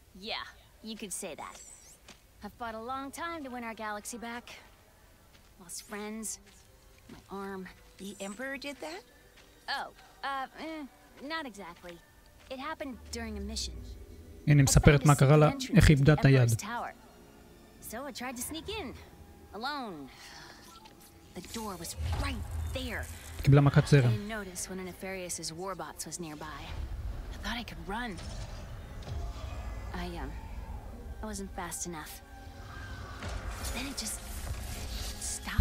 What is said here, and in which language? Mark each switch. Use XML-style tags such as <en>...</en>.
<en>Yeah, you could say that. I've fought a long time to win our galaxy back. Lost friends, my arm. The Emperor did that? Oh, not exactly. It happened during a mission.</en> <he>הנה, מספרת מה קרה לה, איך איבדה את היד.</he> <en>So I tried to sneak in, alone. The door was right there.</en> <he>קיבלה מכת זרע.</he> <en>I didn't notice when a nefarious's warbots was nearby. I thought I could run. I wasn't fast enough. Then it just stopped.</en>